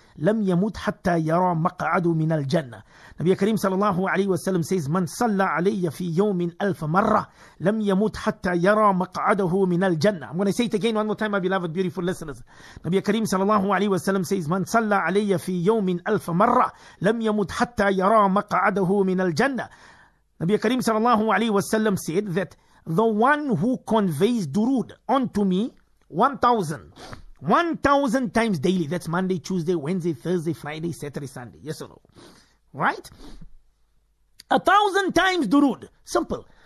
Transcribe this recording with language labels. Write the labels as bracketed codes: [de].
[ar] لم يموت حتى يرى مقعد من الجنة. نبي كريم صلى الله عليه وسلم [en] says, [ar] من صلى علي في يوم ألف مرة لم يموت حتى يرى مقعده من الجنة. [en] I'm going to say it again one more time, my beloved beautiful listeners. [ar] نبي كريم صلى الله عليه وسلم [en] says, [ar] من صلى علي في يوم ألف مرة لم يموت حتى يرى مقعده من الجنة. نبي كريم صلى الله عليه وسلم [en] said that the one who conveys durood onto me 1,000 times daily. That's Monday, Tuesday, Wednesday, Thursday, Friday, Saturday, Sunday. Yes or no? Right? 1,000 times durood. Simple.